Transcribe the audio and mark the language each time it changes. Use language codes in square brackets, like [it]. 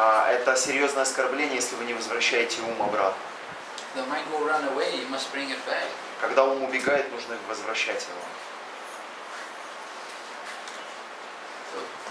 [ru] Это серьезное оскорбление, если вы не возвращаете ум обратно. [en] The mind will run away, you must bring it back. [ru] Когда ум убегает, нужно возвращать его.